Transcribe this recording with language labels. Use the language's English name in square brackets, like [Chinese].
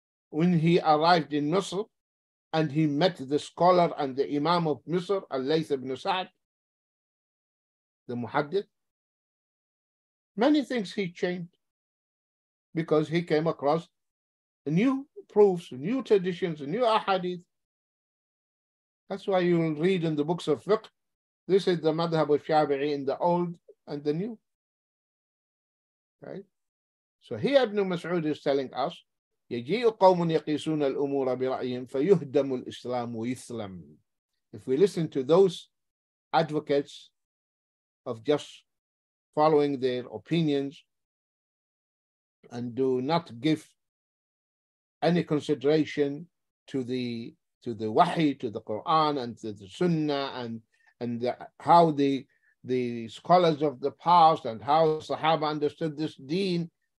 [English] When he arrived in Misr and he met the scholar and the Imam of Misr, Al-Layth ibn Sa'd, the Muhaddith, many things he changed because he came across new proofs, new traditions, new ahadith. That's why you will read in the books of fiqh, this is the madhab of Shafi'i in the old and the new. Okay? So here Ibn Mas'ud is telling us, [Arabic] يَجِيءُ قَوْمٌ يَقِيسُونَ الْأُمُورَ بِرَأْيِهِمْ فَيُهْدَمُ الْإِسْلَامُ وَيُثْلَمُ. [English] If we listen to those advocates of just following their opinions and do not give any consideration to the wahi, to the Quran and to the sunnah and how the scholars of the past and how Sahaba understood this deen.